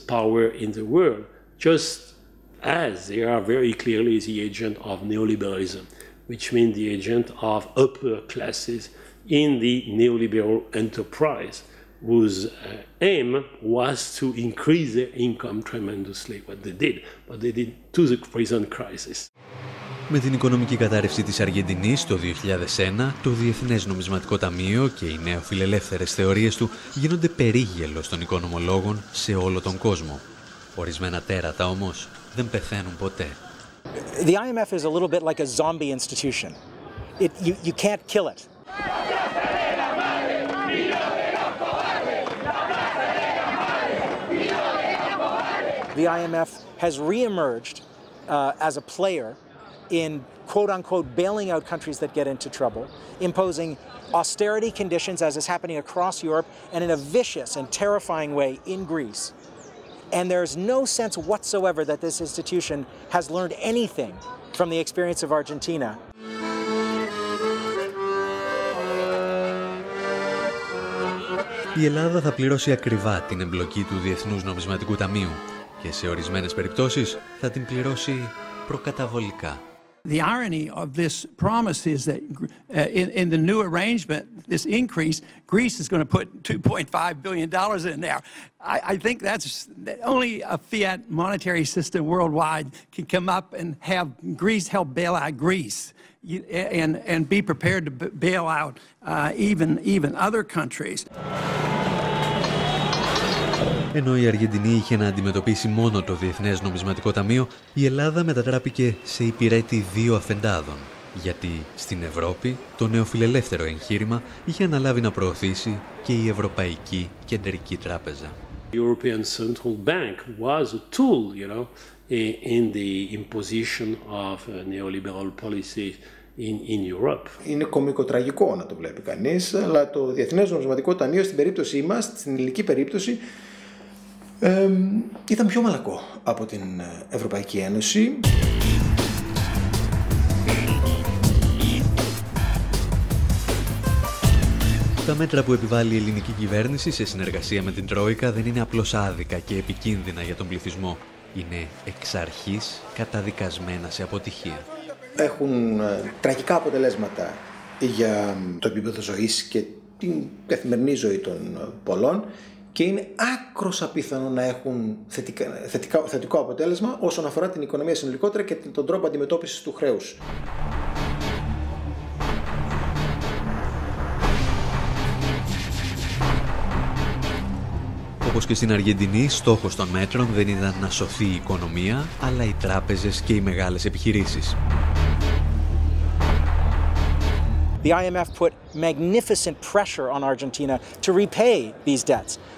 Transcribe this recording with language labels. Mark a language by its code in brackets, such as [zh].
[en] power in the world, just as they are very clearly the agent of neoliberalism, which means the agent of upper classes in the neoliberal enterprise, whose aim was to increase their income tremendously. What they did to the present crisis. [el] Με την οικονομική κατάρρευση της Αργεντινής το 2001, το Διεθνές Νομισματικό Ταμείο και οι νεοφιλελεύθερες θεωρίες του γίνονται περίγελος των οικονομολόγων σε όλο τον κόσμο. Ορισμένα τέρατα όμως δεν πεθαίνουν ποτέ. [en] The IMF is a little bit like a zombie institution. You can't kill it. The IMF has re-emerged as a player in quote-unquote bailing out countries that get into trouble, imposing austerity conditions as is happening across Europe and in a vicious and terrifying way in Greece. And there's no sense whatsoever that this institution has learned anything from the experience of Argentina. [el] Η Ελλάδα θα πληρώσει ακριβά την εμπλοκή του Διεθνούς Νομισματικού Ταμείου και σε ορισμένες περιπτώσεις θα την πληρώσει προκαταβολικά. [en] The irony of this promise is that in the new arrangement, this increase, Greece is going to put $2.5 billion in there. I think that's only a fiat monetary system worldwide can come up and have Greece help bail out Greece and be prepared to bail out even other countries. [el] Ενώ η Αργεντινή είχε να αντιμετωπίσει μόνο το Διεθνές Νομισματικό Ταμείο, η Ελλάδα μετατράπηκε σε υπηρέτη δύο αφεντάδων. Γιατί στην Ευρώπη το νεοφιλελεύθερο εγχείρημα είχε αναλάβει να προωθήσει και η Ευρωπαϊκή Κεντρική Τράπεζα. The European Central Bank was a tool, you know, in the imposition of neoliberal policies in Europe. Είναι κωμικοτραγικό να το βλέπει κανείς, αλλά το Διεθνές Νομισματικό Ταμείο στην περίπτωσή μας, στην ελληνική περίπτωση, ήταν πιο μαλακό από την Ευρωπαϊκή Ένωση. Τα μέτρα που επιβάλλει η ελληνική κυβέρνηση σε συνεργασία με την Τρόικα δεν είναι απλώς άδικα και επικίνδυνα για τον πληθυσμό. Είναι εξ αρχής καταδικασμένα σε αποτυχία. Έχουν τραγικά αποτελέσματα για το επίπεδο ζωής και την καθημερινή ζωή των πολλών. Και είναι άκρος απίθανο να έχουν θετικό αποτέλεσμα όσον αφορά την οικονομία συνολικότερα και τον τρόπο αντιμετώπισης του χρέους. Όπως και στην Αργεντινή, στόχος των μέτρων δεν ήταν να σωθεί η οικονομία, αλλά οι τράπεζες και οι μεγάλες επιχειρήσεις. [en] The IMF put magnificent pressure on Argentina to repay these debts.